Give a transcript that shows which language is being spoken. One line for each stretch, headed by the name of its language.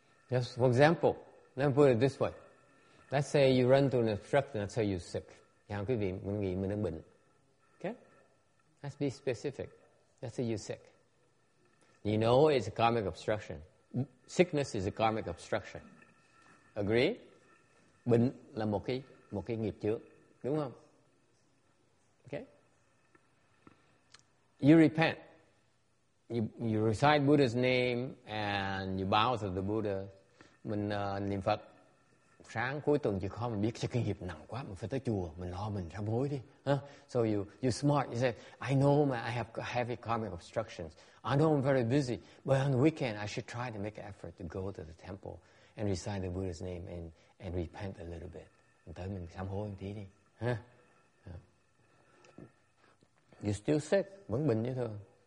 English: Yes, for example, let me put it this way. Let's say you run to an instructor and say you're sick.
Vietnamese: Yeah, quý vị, mình nghĩ mình đang bệnh.
English: Okay? Let's be specific. Let's say you're sick. You know it's a karmic obstruction. Sickness is a karmic obstruction. Agree?
Vietnamese: Bệnh là một cái nghiệp chướng, đúng không? Okay?
English: You repent. You recite Buddha's name and you bow to the Buddha.
Vietnamese: Mình niệm Phật sáng cuối tuần chỉ khó mình biết cái nghiệp nặng quá mình phải tới chùa mình lo mình sám hối đi huh?
English: So you smart, you say I know I have heavy karmic obstructions, I know I'm very busy, but on the weekend I should try to make an effort to go to the temple and recite the Buddha's name and repent a little bit.
Vietnamese: Mình tới mình sám hối một tí đi huh?
English: You still sick,
Vietnamese: vẫn bệnh như thường.